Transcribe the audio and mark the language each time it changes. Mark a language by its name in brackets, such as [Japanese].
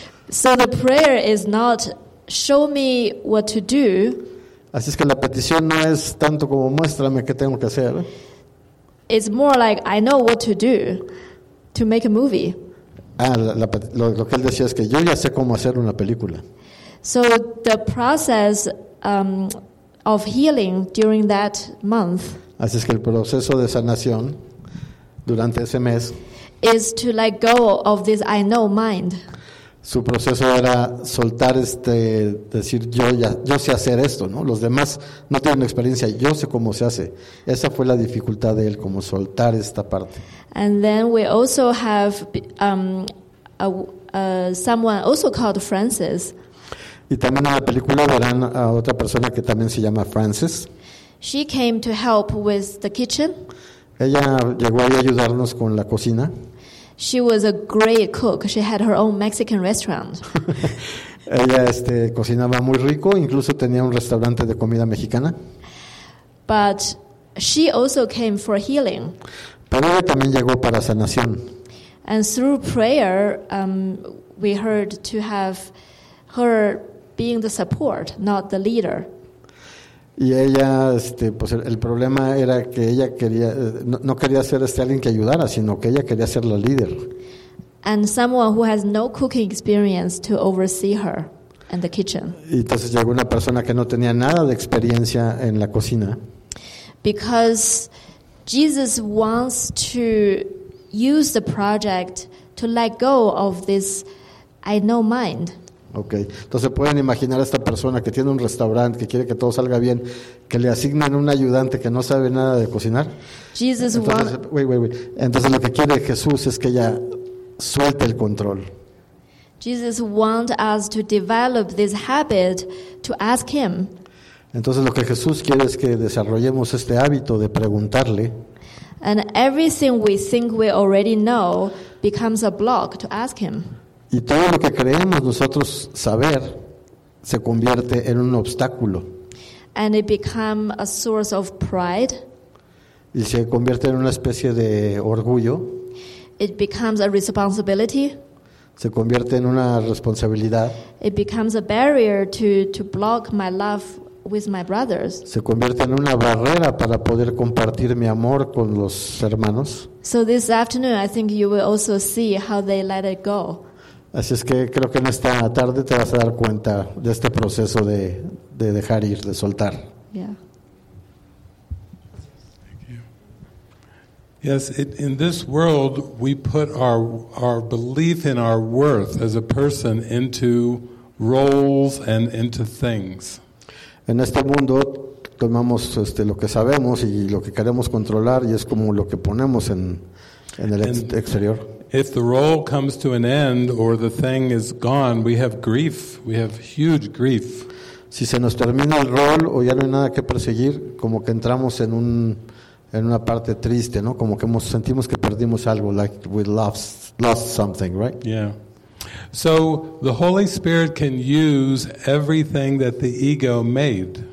[English] So the prayer is not show me what to do. [Spanish] Así es que la petición no es tanto como muéstrame qué tengo que hacer. [English] It's more like I know what to do to make a movie. [Spanish] Ah, lo que él decía es que yo ya sé cómo hacer una película. [English] So the process of healing during that month. [Spanish] Así es que el proceso de sanación durante ese mes. [English] Is to let go of this I know mind. [Spanish] Su proceso era soltar decir yo sé hacer esto, ¿no? Los demás no tienen experiencia, yo sé cómo se hace. Esa fue la dificultad de él, como soltar esta parte. [English] And then we also have someone also called Frances. [Spanish] Y también en la película verán a otra persona que también se llama Frances. [English] She came to help with the kitchen. [Spanish] Ella llegó a ayudarnos con la cocina. [English] She was a great cook. She had her own Mexican restaurant. [Spanish] Ella cocinaba muy rico, incluso tenía un restaurante de comida mexicana. [English] But she also came for healing. [Spanish] Pero ella también llegó para sanación. [English] And through prayer, we heard to have her being the support, not the leader. [Spanish] Y ella, pues el problema era que ella quería, no quería ser alguien que ayudara, sino que ella quería ser la líder. [English] And someone who has no cooking experience to oversee her in the kitchen. [Spanish] Y entonces llegó una persona que no tenía nada de experiencia en la cocina. [English] Because Jesus wants to use the project to let go of this I know mind. [Spanish] Okay, entonces pueden imaginar a esta persona que tiene un restaurante, que quiere que todo salga bien, que le asignan un ayudante que no sabe nada de cocinar. [English] Jesus [Spanish] entonces, entonces lo que quiere Jesús es que ella suelte el control. [English] Jesus wants us to develop this habit to ask him. [Spanish] Entonces lo que Jesús quiere es que desarrollemos este hábito de preguntarle. [English] And everything we think we already know becomes a block to ask him. [Spanish] Y todo lo que creemos nosotros saber se convierte en un obstáculo. [English] And it become a source of pride. [Spanish] Y se convierte en una especie de orgullo. [English] It becomes a responsibility. [Spanish] Se convierte en una responsabilidad. [English] It becomes a barrier to block my love with my brothers. [Spanish] Se convierte en una barrera para poder compartir mi amor con los hermanos. [English] So this afternoon I think you will also see how they let it go. [Spanish] Así es que creo que en esta tarde te vas a dar cuenta de este proceso de dejar ir, de soltar. [English] Yeah. Thank you. Yes, in this world we put our belief in our worth as a person into roles and into things. [Spanish] En este mundo tomamos lo que sabemos y lo que queremos controlar y es como lo que ponemos en el exterior. [English] If the role comes to an end or the thing is gone, we have grief. We have huge grief. [Spanish] Si se nos termina el rol o ya no hay nada que perseguir, como que entramos en una parte triste, ¿no? Como que sentimos que perdimos algo, [English] like we lost something, right? Yeah. So the Holy Spirit can use everything that the ego made.